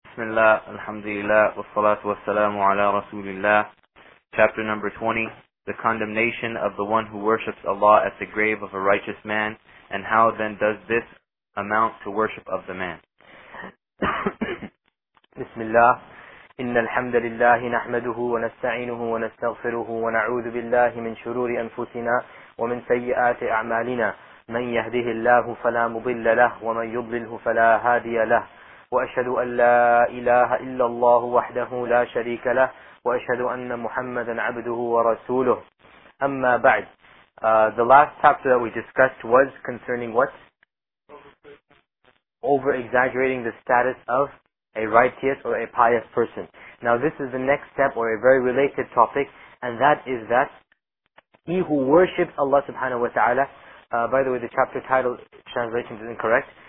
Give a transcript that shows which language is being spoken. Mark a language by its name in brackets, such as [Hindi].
[Arabic] بسم الله الحمد لله والصلاة والسلام على رسول الله. [English] Chapter number 20, the condemnation of the one who worships Allah at the grave of a righteous man, and how then does this amount to worship of the man? [Arabic] بسم الله إن الحمد لله نحمده ونستعينه ونستغفره ونعوذ بالله من شرور أنفسنا ومن سيئات أعمالنا. من يهده الله فلا مضل له ومن يضلله فلا هادي له. وأشهد أن لا إله إلا الله وحده لا شريك له وأشهد أن محمدا عبده ورسوله. أما بعد, [English] the last chapter that we discussed was concerning what? Over-exaggerating the status of a righteous or a pious person. Now this is the next step, or a very related topic, and that is that he who worships Allah subhanahu wa ta'ala, by the way, the chapter title translation is incorrect.